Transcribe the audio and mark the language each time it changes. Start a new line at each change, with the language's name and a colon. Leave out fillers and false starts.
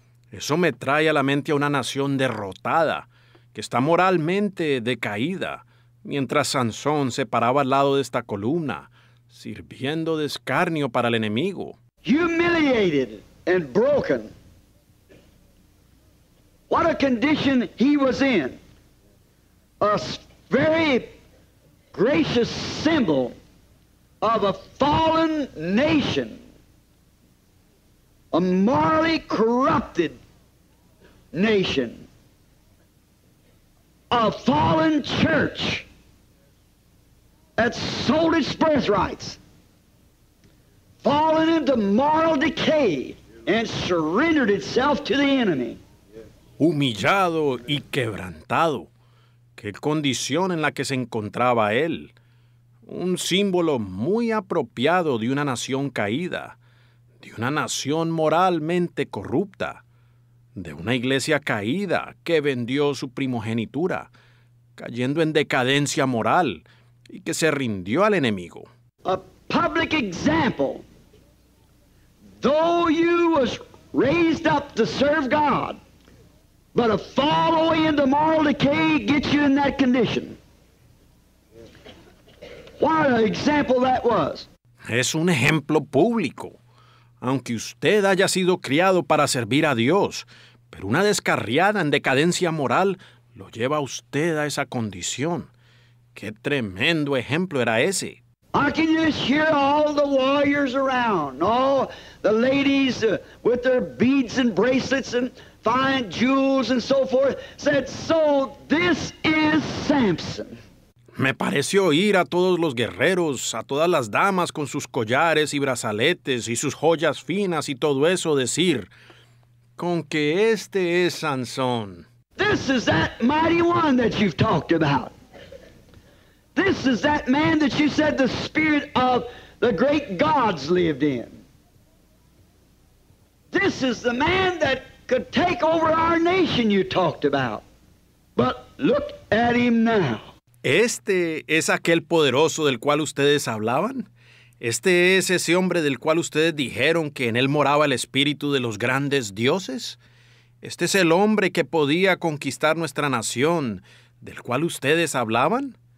Spanish: Eso me trae a la mente a una nación derrotada, que está moralmente decaída, mientras Sansón se paraba al lado de esta columna, sirviendo de escarnio para el enemigo.
English: Humiliated and broken. What a condition he was in. A very gracious symbol of a fallen nation. A morally corrupted nation. A fallen church that sold its birthrights, fallen into moral decay, and surrendered itself to the enemy.
Spanish: Humillado y quebrantado. ¿Qué condición en la que se encontraba él? Un símbolo muy apropiado de una nación caída, de una nación moralmente corrupta. De una iglesia caída que vendió su primogenitura, cayendo en decadencia moral y que se rindió al enemigo.
English: A public example, though you was raised up to serve God, but a fall away into moral decay gets you in that condition. What an example that was.
Spanish: Es un ejemplo público. Aunque usted haya sido criado para servir a Dios, pero una descarriada en decadencia moral lo lleva a usted a esa condición. ¡Qué tremendo ejemplo era ese!
English: I can just hear all the warriors around, all the ladies with their beads and bracelets and fine jewels and so forth, said, so this is Samson.
Spanish: Me pareció oír a todos los guerreros, a todas las damas con sus collares y brazaletes y sus joyas finas y todo eso decir, con que este es Sansón.
English: This is that mighty one that you've talked about. This is that man that you said the spirit of the great gods lived in. This is the man that could take over our nation you talked about. But look at him now.
Spanish: ¿Este es aquel poderoso del cual ustedes hablaban? ¿Este es ese hombre del cual ustedes dijeron que en él moraba el espíritu de los grandes dioses? ¿Este es el hombre que podía conquistar nuestra nación del cual ustedes hablaban?